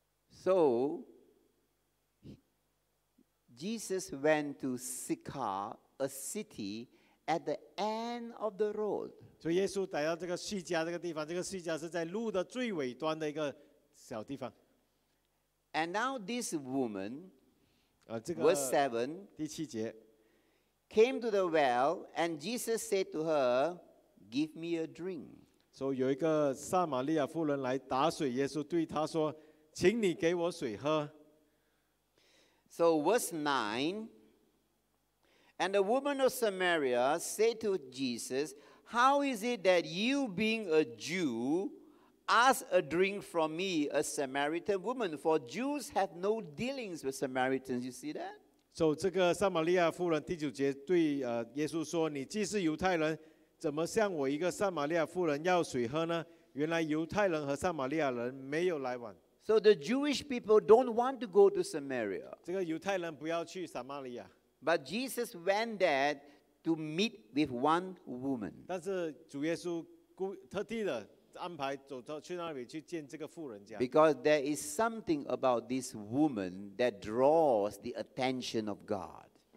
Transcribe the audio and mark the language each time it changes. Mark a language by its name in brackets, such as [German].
[English] So Jesus went to Sychar, a city at the end of the road. [Chinese] 所以耶稣来到这个叙加这个地方，这个叙加是在路的最尾端的一个小地方。 [English] And now this woman, verse 7, [Chinese] 第七节, [English] came to the well, and Jesus said to her, "Give me a drink." [Chinese] So 有一个撒玛利亚妇人来打水，耶稣对她说，请你给我水喝。 [English] So verse 9, and the woman of Samaria said to Jesus, "How is it that you, being a Jew, ask a drink from me, a Samaritan woman, for Jews have no dealings with Samaritans." You see that? [Chinese] So, 这个撒玛利亚妇人第九节对耶稣说：“你既是犹太人，怎么向我一个撒玛利亚妇人要水喝呢？原来犹太人和撒玛利亚人没有来往。” [English] So the Jewish people don't want to go to Samaria. [Chinese] 这个犹太人不要去撒玛利亚。 [English] But Jesus went there to meet with one woman. [Chinese] 但是主耶稣特地的。安排走到去那里去见这个妇人家。 [English] Because there is something about this woman that draws the attention of God.